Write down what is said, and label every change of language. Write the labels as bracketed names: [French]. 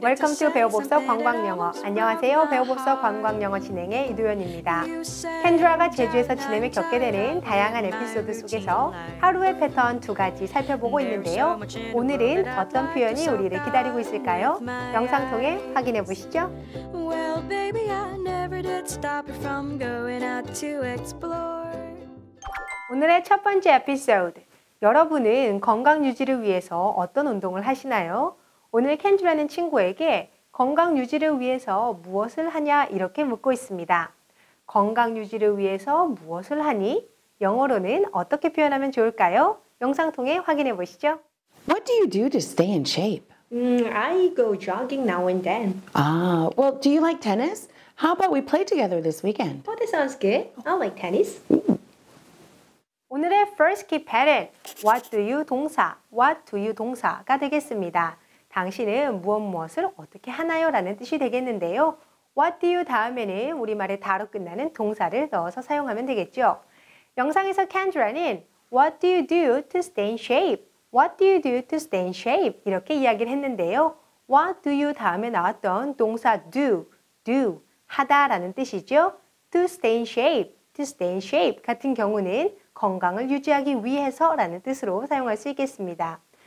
[English] Welcome to [Korean] 배워봅서 관광영어. 안녕하세요. 배워봅서 관광영어 진행의 이도연입니다. 켄드라가 제주에서 지내며 겪게 되는 다양한 에피소드 속에서 하루의 패턴 두 가지 살펴보고 있는데요. 오늘은 어떤 표현이 우리를 기다리고 있을까요? 영상 통해 확인해 보시죠. [English] Well, baby, I never did stop her from going out to explore. [Korean] 오늘의 첫 번째 에피소드. 여러분은 건강 유지를 위해서 어떤 운동을 하시나요? 오늘 켄즈라는 친구에게 건강 유지를 위해서 무엇을 하냐 이렇게 묻고 있습니다. 건강 유지를 위해서 무엇을 하니? 영어로는 어떻게 표현하면 좋을까요? 영상 통해 확인해 보시죠. [English] What do you do to stay in shape? I go jogging now and then. Well, do you like tennis? How about we play together this weekend? Oh, that sounds good. I like tennis. [Korean] 오늘의 [English] first key pattern, what do you [Korean] 동사가 되겠습니다. 당신은 무엇무엇을 어떻게 하나요? 라는 뜻이 되겠는데요. [English] what do you [Korean] 다음에는 우리말의 다로 끝나는 동사를 넣어서 사용하면 되겠죠. 영상에서 Kendra는 [English] what do you do to stay in shape? what do you do to stay in shape? [Korean] 이렇게 이야기를 했는데요. [English] what do you [Korean] 다음에 나왔던 동사 do, 하다 라는 뜻이죠. [English] to stay in shape [Korean] 같은 경우는 건강을 유지하기 위해서 라는 뜻으로 사용할 수 있겠습니다.